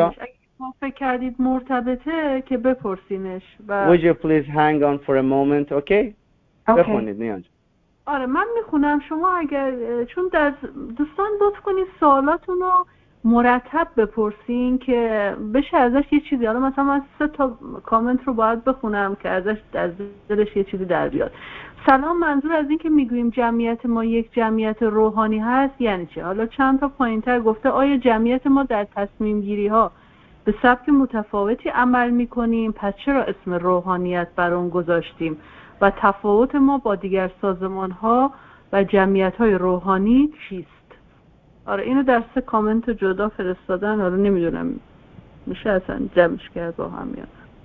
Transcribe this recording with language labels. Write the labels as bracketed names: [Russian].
[Persian] اگه فکر کردید مرتبطه که بپرسینش. [English] Would you please hang on for a moment, okay? [Persian] بخونید نیانج. آره من میخونم. شما اگر چون دوستان لطف کنید سوالاتون رو مرتب بپرسین که بشه ازش یه چیزی، حالا مثلا من 3 تا کامنت رو باید بخونم که ازش از دلش یه چیزی در بیاد. سلام، منظور از این که میگوییم جمعیت ما یک جمعیت روحانی هست یعنی چه؟ حالا چند تا پایین تر گفته آیا جمعیت ما در تصمیم گیری ها به سبک متفاوتی عمل میکنیم؟ پس چرا اسم روحانیت بر اون گذاشتیم و تفاوت ما با دیگر سازمان ها و جمعیت های روحانی چیست؟ آره اینو در 3 کامنت جدا فرستادن، حالا نمیدونم میشه اصلا جمعش کرد با هم یا نه.